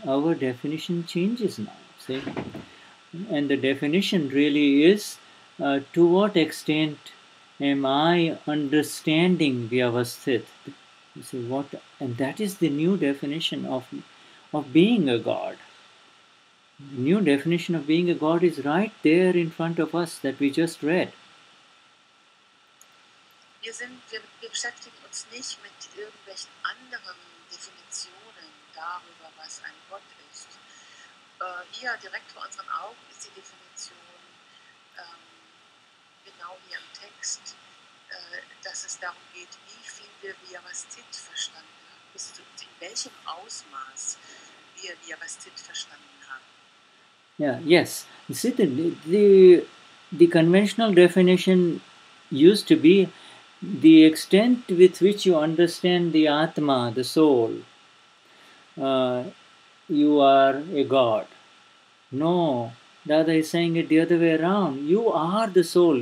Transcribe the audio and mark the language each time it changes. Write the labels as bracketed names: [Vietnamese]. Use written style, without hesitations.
[English] Our definition changes now, see? And the definition really is, to what extent am I understanding Vyavasthit? You see, what, and that is the new definition of being a God. The new definition of being a God is right there in front of us that we just read. [German] Wir beschäftigen uns nicht mit irgendwelchen anderen Definitionen darüber, was ein Gott ist. Hier, direkt vor unseren Augen, ist die Definition genau hier im Text, dass es darum geht, wie viel wir Vyavasthit verstanden haben, in welchem Ausmaß wir Vyavasthit verstanden haben. [English] Yeah, yes. You see, the conventional definition used to be the extent with which you understand the Atma, the soul, you are a God. No, Dada is saying it the other way around. You are the soul.